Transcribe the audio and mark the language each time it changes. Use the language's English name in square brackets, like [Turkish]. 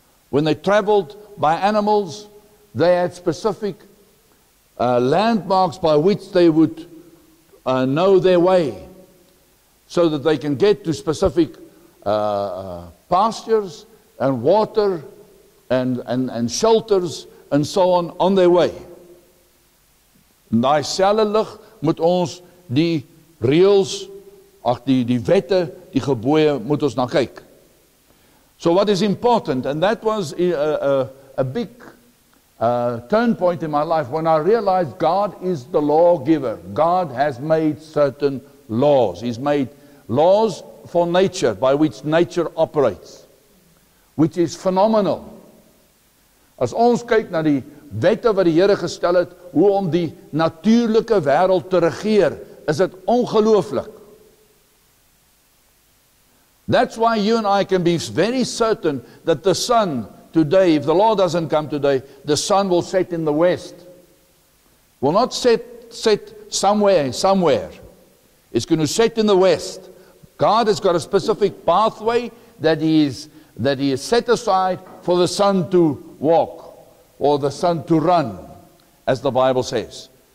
[English] When they traveled by animals, they had specific landmarks by which they would know their way, so that they can get to specific pastures and water and shelters and so on their way. [Afrikaans] Daai selfe lig moet ons die reëls, ag die wette, die gebooie moet ons na kyk. [English] So what is important, and that was a big turn point in my life when I realized God is the lawgiver. God has made certain laws. He's made laws for nature by which nature operates, which is phenomenal. [Afrikaans] As ons kyk na die wette wat die Here gestel het, hoe om die natuurlike wêreld te regeer, is dit ongelooflik. [English] That's why you and I can be very certain that the sun today, if the law doesn't come today, the sun will set in the west. Will not set somewhere. It's going to set in the west. God has got a specific pathway that he has set aside for the sun to walk, or the sun to run, as the Bible says.